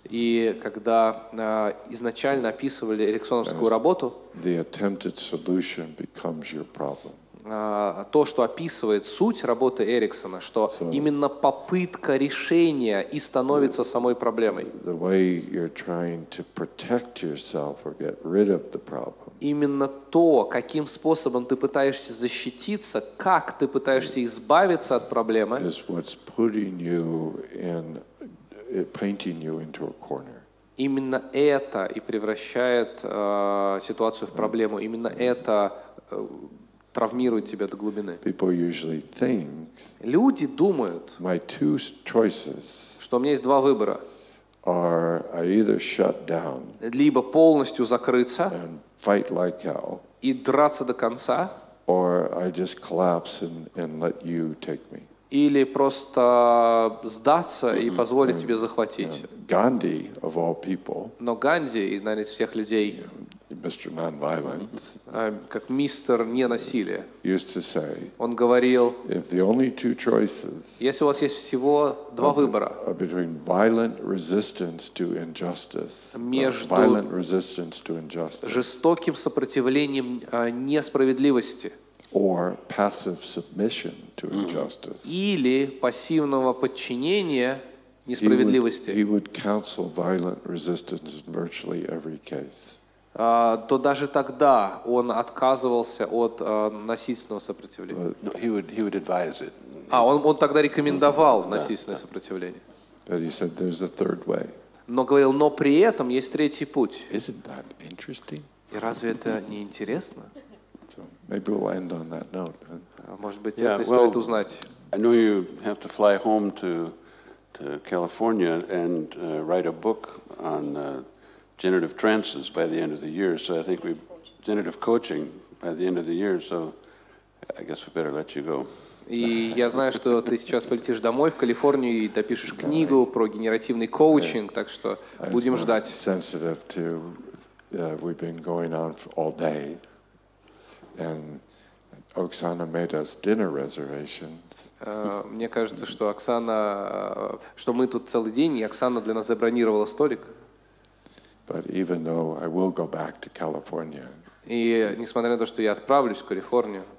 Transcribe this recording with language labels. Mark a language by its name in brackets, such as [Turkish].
[Russian] И когда изначально описывали эриксоновскую работу, [English] the attempted solution becomes your problem. [Russian] То, что описывает суть работы Эриксона, что so, именно попытка решения и становится самой проблемой. [English] The way you're trying to protect yourself or get rid of the problem. [Russian] Именно то, каким способом ты пытаешься защититься, как ты пытаешься избавиться от проблемы, [English] is what's putting you in, painting you into a corner. [Russian] Именно это и превращает ситуацию в проблему. Именно это травмирует тебя до глубины. [English] People usually think, [Russian] люди думают, [English] my two choices, [Russian] что у меня есть два выбора. [English] Are I either shut down, [Russian] либо полностью закрыться [English] and fight like hell, [Russian] и драться до конца, [English] or I just collapse and let you take me. [Russian] Или просто сдаться и позволить тебе захватить. [English] Ганди, of all people, [Russian] но Ганди, наверное, из всех людей, [English] Mr. Nonviolence, [Russian] как мистер ненасилия, [English] used to say, [Russian] он говорил, [English] if the only two choices, [Russian] если у вас есть всего два выбора, [English] between violent resistance to injustice, [Russian] между [English] violent resistance to injustice, [Russian] жестоким сопротивлением несправедливости, [English] or passive submission to injustice, [Russian] или пассивного подчинения несправедливости, [English] he would counsel violent resistance in virtually every case. [Russian] То даже тогда он отказывался от насильственного сопротивления. [English] No, he would advise it. [Russian] А он тогда рекомендовал насильственное сопротивление. [English] But he said there's a third way. [Russian] Но говорил, но при этом есть третий путь. [English] Isn't that interesting? [Russian] И разве это не интересно? [English] So maybe we'll end on that note. [Russian] Может быть, это стоит узнать. [English] I know you have to fly home to California and write a book on generative trances by the end of the year, so I think we've generative coaching by the end of the year, so I guess we better let you go. [Russian] И я знаю, что ты сейчас полетишь домой в Калифорнию и допишешь книгу про генеративный коучинг, так что будем ждать. [English] Sensitive to we've been going on for all day, and Оксана made us dinner reservations. [Russian] Мне кажется, что Оксана, что мы тут целый день, и Оксана для нас забронировала столик. [English] But even though I will go back to California, [Russian] и несмотря на то, что я отправлюсь в Калифорнию,